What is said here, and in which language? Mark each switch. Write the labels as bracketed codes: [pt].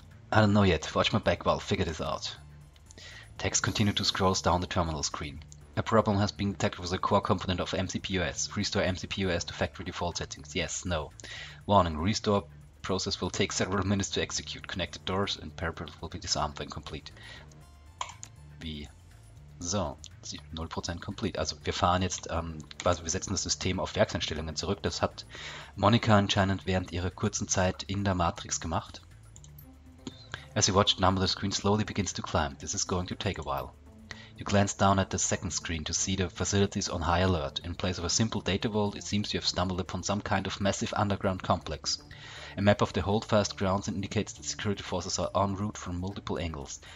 [en] I don't know yet. Watch my back while I figure this out. Text continue to scroll down the terminal screen. A problem has been detected with a core component of MCPOS. Restore MCPOS to factory default settings. Yes, no. Warning, restore process will take several minutes to execute. Connected doors and peripherals will be disarmed when complete. [de] Wie? So, 0% complete. Also wir fahren jetzt, wir setzen das System auf Werkseinstellungen zurück. Das hat Monika anscheinend während ihrer kurzen Zeit in der Matrix gemacht. [en] As you watch, the number of the screen slowly begins to climb. This is going to take a while. You glance down at the second screen to see the facilities on high alert. In place of a simple data vault, it seems you have stumbled upon some kind of massive underground complex. A map of the holdfast grounds indicates that security forces are en route from multiple angles.